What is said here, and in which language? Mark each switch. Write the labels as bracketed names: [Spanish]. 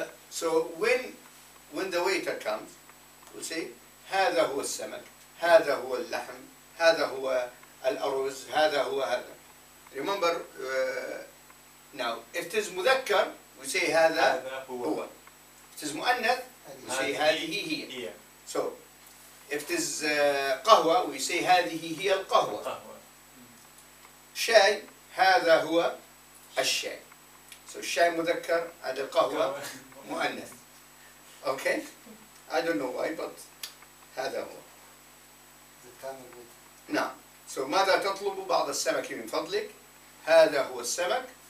[English] So when the waiter comes, we'll say [Arabic] هذا هو السمك، هذا هو اللحم، هذا هو الأرز، هذا هو هذا. [English] Remember now, if it is مذكر we say [Arabic] هذا هو. [English] If it is مؤنث we say [Arabic] هذه هي. [English] So if it is قهوة we say [Arabic] هذه هي القهوة. شاي هذا هو الشاي. So الشاي مذكر، هذا القهوة مؤنث. [English] Okay, I don't know why, but [Arabic] هذا هو. نعم. So ماذا تطلب بعض السمك من فضلك؟ هذا هو السمك.